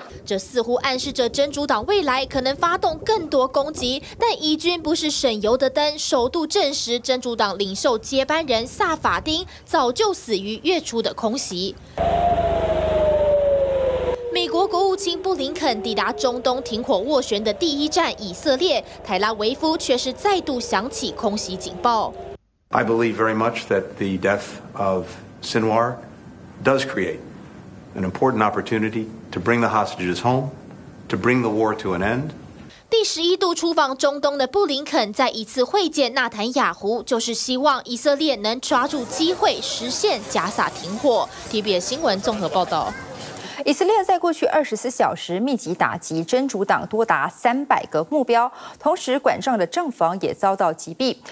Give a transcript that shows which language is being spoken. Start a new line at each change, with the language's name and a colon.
Chinese: 这似乎暗示着真主党未来可能发动更多攻击，但以军不是省油的灯，首度证实真主党领袖接班人萨法丁早就死于月初的空袭。美国国务卿布林肯抵达中东停火斡旋的第一站以色列，特拉维夫却是再度响起空袭警报。
English: I believe very much that the death of Sinwar does create an important opportunity to bring the hostages home, to bring the war to an end.
Chinese: 第十一度出访中东的布林肯在一次会见纳坦雅胡，就是希望以色列能抓住机会实现加萨停火。 TVBS 新闻综合报道。以色列在过去24小时密集打击真主党多达300个目标，同时管上的政房也遭到击毙。